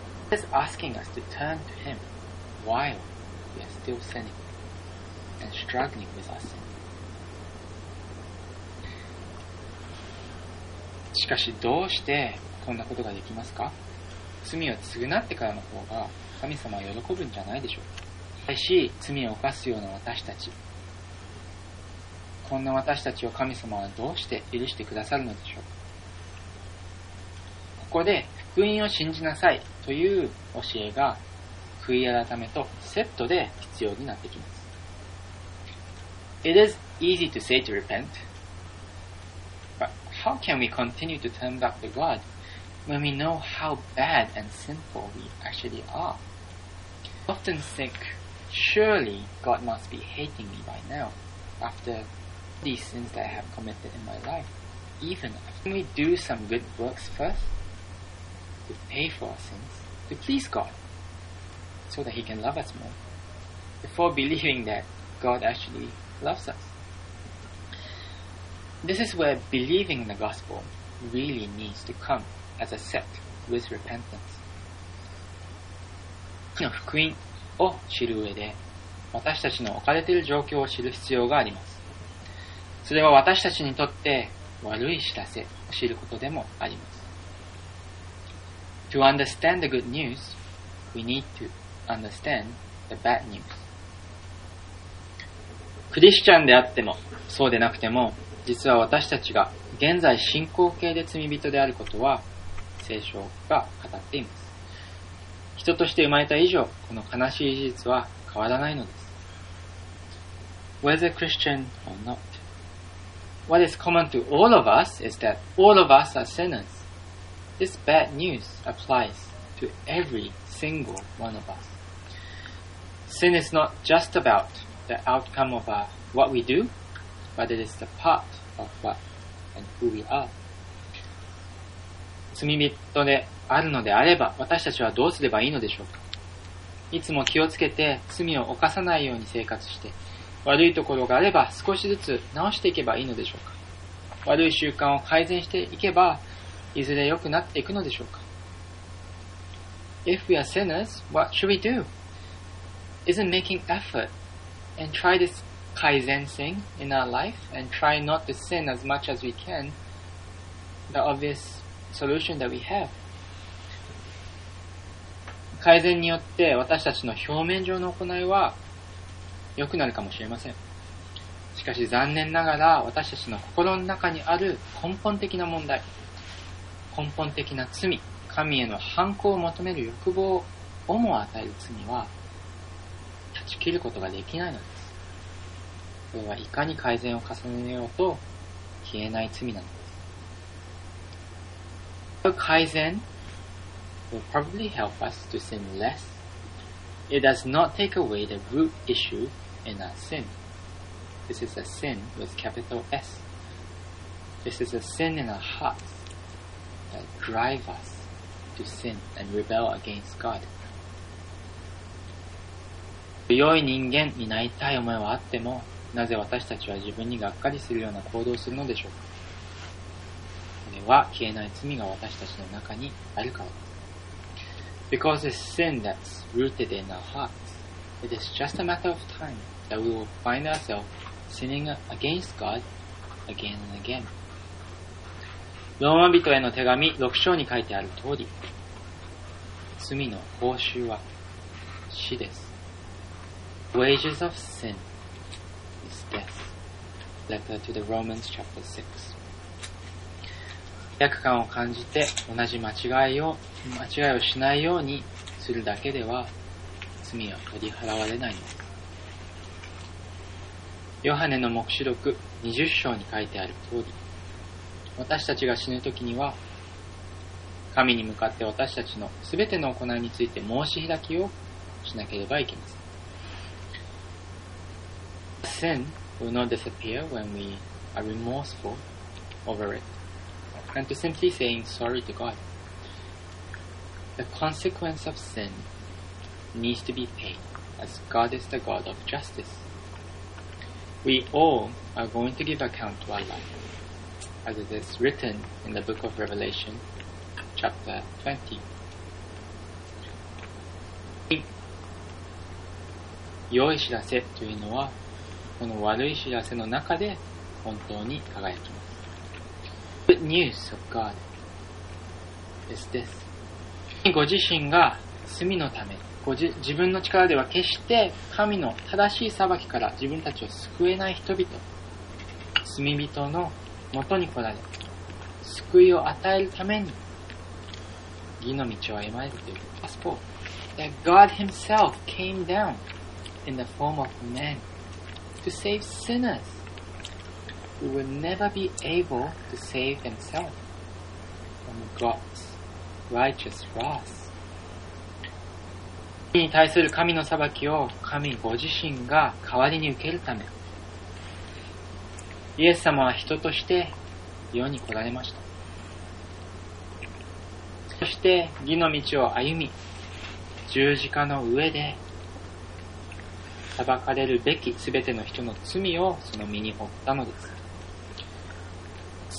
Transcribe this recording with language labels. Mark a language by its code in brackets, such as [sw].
[en] He's asking us to turn to Him while we are still sinning and struggling with our sin. [ja] しかしどうしてこんなことができますか？罪を償ってからの方が神様は喜ぶんじゃないでしょうか。しかし罪を犯すような私たち、こんな私たちを神様はどうして許してくださるのでしょう。ここで福音を信じなさいという教えが悔い改めとセットで必要になってきます。 [en] It is easy to say to repent, but how can we continue to turn back to God when we know how bad and sinful we actually are? Often think, surely God must be hating me by now afterthese sins that I have committed in my life. Even if we do some good works first to pay for our sins, to please God so that He can love us more before believing that God actually loves us. This is where believing in the gospel really needs to come as a set with repentance. [ja] 神の福音を知る上で私たちの置かれている状況を知る必要があります。それは私たちにとって悪い知らせを知ることでもあります。 [en] To understand the good news, we need to understand the bad news. [ja] クリスチャンであっても、そうでなくても、実は私たちが現在進行形で罪人であることは、聖書が語っています。人として生まれた以上、この悲しい事実は変わらないのです。 [en] Whether Christian or not,What is common to all of us is that all of us are sinners. This bad news applies to every single one of us. Sin is not just about the outcome of what we do, but it is the part of what and who we are. [ja] 罪人であるのであれば、私たちはどうすればいいのでしょうか。いつも気をつけて罪を犯さないように生活して、悪いところがあれば少しずつ直していけばいいのでしょうか。悪い習慣を改善していけばいずれ良くなっていくのでしょうか。 [en] If we are sinners, what should we do? Isn't making effort and try this kaizen thing in our life and try not to sin as much as we can the obvious solution that we have? [ja] 改善によって私たちの表面上の行いは良くなるかもしれません。しかし残念ながら私たちの心の中にある根本的な問題、根本的な罪、神への反抗を求める欲望をも与える罪は断ち切ることができないのです。それはいかに改善を重ねようと消えない罪なのです。 [en] 改善 will probably help us to sin less. It does not take away the root issue in our sin. This is a sin with capital S. This is a sin in our hearts that drive us to sin and rebel against God. [ja] 良い人間になりたい思いはあっても、なぜ私たちは自分にがっかりするような行動をするのでしょうか。これは消えない罪が私たちの中にあるからです。 [en] Because it's sin that's rooted in our hearts, it is just a matter of time that we will find ourselves sinning against God again and again. [ja] ローマ人への手紙6章に書いてある通り、罪の報酬は死です。 [en] Wages of sin. Letter to the Romans chapter 6. [ja] 罪悪感を感じて同じ間違いをしないようにするだけでは罪は取り払われないのです。ヨハネの黙示録20章に書いてある通り、私たちが死ぬときには神に向かって私たちのすべての行いについて申し開きをしなければいけません。 [en] Sin will not disappear when we are remorseful over it, and to simply saying sorry to God. The consequence of sin needs to be paid, as God is the God of justice. We all are going to give account to Allah, as it is written in the book of Revelation, chapter 20. [ja] 良い知らせというのは、この悪い知らせの中で本当に輝きます。 [en] Good news of God is this. [ja] ご自身が罪のため、自分の力では決して神の正しい裁きから自分たちを救えない人々、罪人の元に来られ、救いを与えるために義の道を歩まれるという。 [en] Gospel that God himself came down in the form of man. To save sinners who would never be able to save themselves from God's righteous wrath. [ja] 罪に対する神の裁きを神ご自身が代わりに受けるため、イエス様は人として世に来られました。そして義の道を歩み、十字架の上で裁かれるべきすべての人の罪をその身に負ったのです。